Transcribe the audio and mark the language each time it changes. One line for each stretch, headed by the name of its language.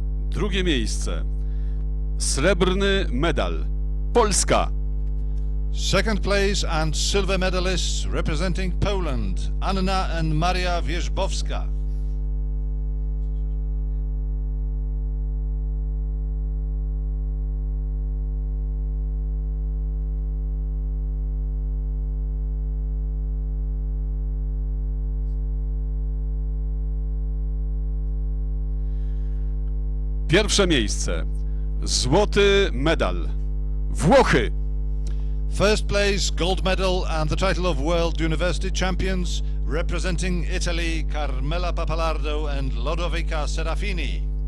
Polish: Drugie miejsce, srebrny medal, Polska.
English: Second place and silver medalists representing Poland, Anna and Maria Wierzbowska.
Polish: Pierwsze miejsce, złoty medal, Włochy.
English: First place, gold medal and the title of World University Champions, representing Italy, Carmela Pappalardo and Lodovica Serafini.